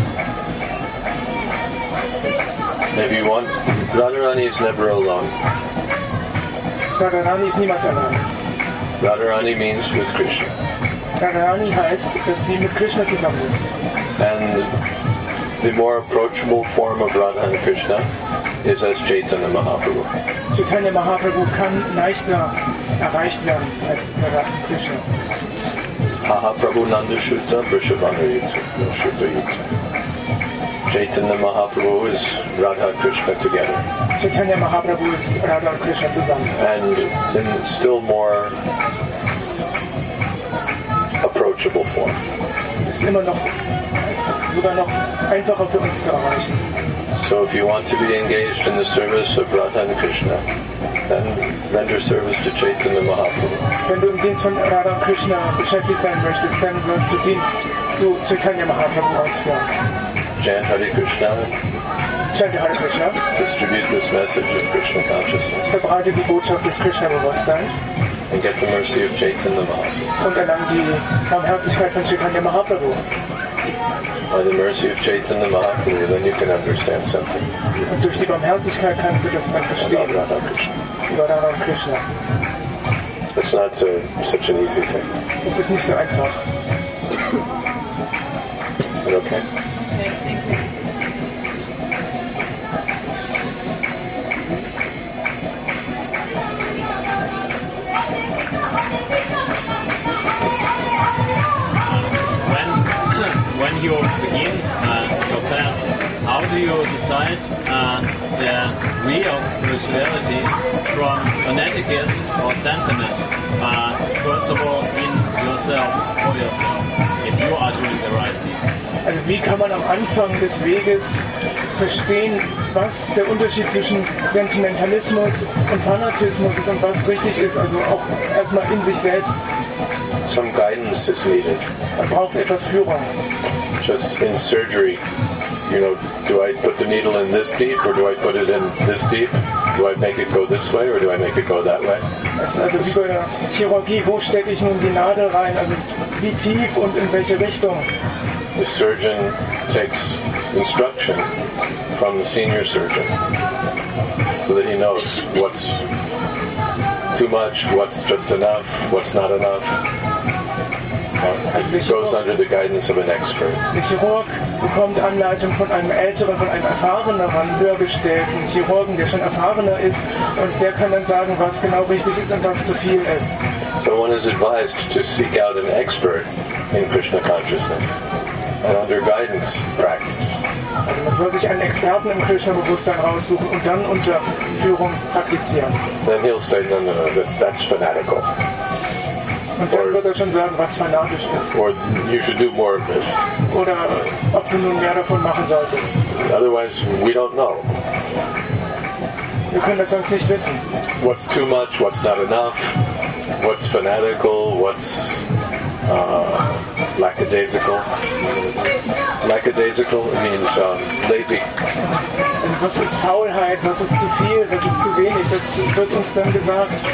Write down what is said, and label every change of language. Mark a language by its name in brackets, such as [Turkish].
[English] If you want, Radharani is never alone. [German] Radharani ist niemals allein. [English] Radharani means with Krishna. [German] Radharani heißt, dass sie mit Krishna zusammen ist. [English] And the more approachable form of Radha and Krishna is as Chaitanya Mahaprabhu. [German] Chaitanya Mahaprabhu kann leichter erreicht werden als Radha und Krishna. [Sanskrit] Mahaprabhu Nanda Shuddha Vrishabhanu Shuddha Yuta. [English] Chaitanya Mahaprabhu is Radha and Krishna together. Chaitanya Mahaprabhu is Radha and Krishna [German] zusammen. [English] And in still more approachable form. [German] Ist immer noch, sogar noch einfacher für uns zu erreichen. [English] So if you want to be engaged in the service of Radha and Krishna, then render service to Chaitanya Mahaprabhu. [German] Wenn du im Dienst von Radha und Krishna beschäftigt sein möchtest, dann wirst du Dienst zu Chaitanya Mahaprabhu ausführen. [English] Chant Hare Krishna. Chant Hare Krishna. Distribute this message of Krishna consciousness. [German] Verbreite die Botschaft des Krishna-Bewusstseins. [English] And get the mercy of Chaitanya Mahaprabhu. [German] Und erlang die Barmherzigkeit von Chaitanya Mahaprabhu. [English] By the mercy of Chaitanya Mahaprabhu, then you can understand something. [German] Und durch die Barmherzigkeit kannst du das dann verstehen. [English] Radha Krishna. [German] Über Radha Krishna. [English] It's not such an easy thing. [German] Es ist nicht so einfach. [English] But okay. When you begin your path, how do you decide the real spirituality from fanaticism or sentiment? First of all, in yourself, for yourself, if you are doing the right thing. [German] Also wie kann man am Anfang des Weges verstehen, was der Unterschied zwischen Sentimentalismus und Fanatismus ist und was richtig ist, also auch erstmal in sich selbst? [English] Some guidance is needed. [German] Man braucht etwas Führung. [English] Just in surgery, you know, do I put the needle in this deep or do I put it in this deep? Do I make it go this way or do I make it go that way? [German] Also wie bei der Chirurgie, wo stecke ich nun die Nadel rein? Also wie tief und in welche Richtung? [English] The surgeon takes instruction from the senior surgeon so that he knows what's too much, what's just enough, what's not enough. [German] Also [English] goes under the guidance of an expert. [German] Der Chirurg bekommt Anleitung von einem älteren, von einem erfahreneren, höhergestellten Chirurgen, der schon erfahrener ist, und der kann dann sagen, was genau richtig ist und was zu viel ist. [English] So one is advised to seek out an expert in Krishna consciousness and under guidance practice. [German] Also man soll sich einen Experten im Krishna-Bewusstsein raussuchen und dann unter Führung praktizieren. [English] Then he'll say, no, no, no, that's fanatical. [German] Und dann wird er schon sagen, was fanatisch ist. [English] Or you should do more of this. [German] Oder ob du nun mehr davon machen solltest. [English] Otherwise, we don't know. [German] Wir können das sonst nicht wissen. [English] What's too much, what's not enough, what's fanatical, what's lackadaisical. Lackadaisical means lazy. [German] Und was ist Faulheit, was ist zu viel, was ist zu wenig, das wird uns dann gesagt.